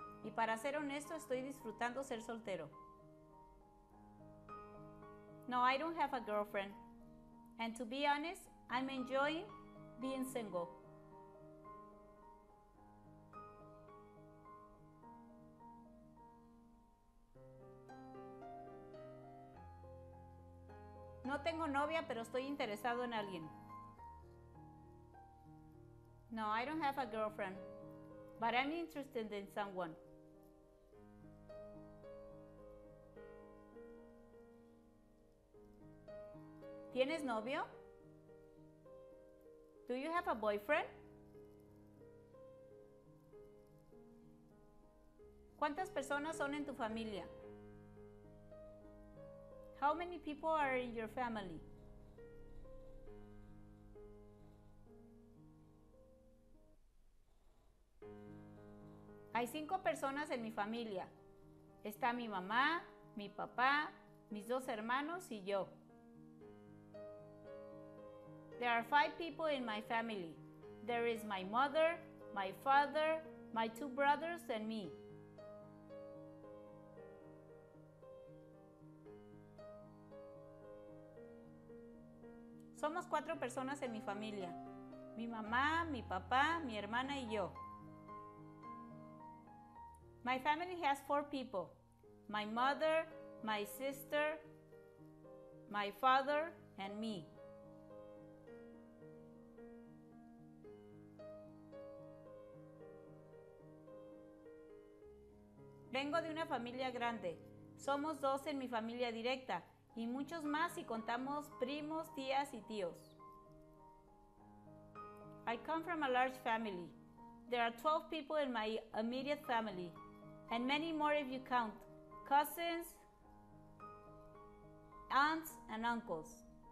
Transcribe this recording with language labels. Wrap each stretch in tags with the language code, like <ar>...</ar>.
<es>Y para ser honesto, estoy disfrutando ser soltero.</es> <en>No, I don't have a girlfriend. And to be honest, I'm enjoying being single.</en> <es>No tengo novia, pero estoy interesado en alguien.</es> <en>No, I don't have a girlfriend, but I'm interested in someone.</en> <es>¿Tienes novio?</es> <en>Do you have a boyfriend?</en> <es>¿Cuántas personas son en tu familia?</es> <en>How many people are in your family?</en> <es>Hay 5 personas en mi familia. Está mi mamá, mi papá, mis 2 hermanos y yo.</es> <en>There are 5 people in my family. There is my mother, my father, my 2 brothers and me.</en> <es>Somos 4 personas en mi familia. Mi mamá, mi papá, mi hermana y yo.</es> <en>My family has 4 people. My mother, my sister, my father, and me.</en> <es>Vengo de una familia grande. Somos 2 en mi familia directa. Y muchos más si contamos primos, tías y tíos.</es> <en>I come from a large family. There are 12 people in my immediate family, and many more if you count cousins, aunts and uncles.</en>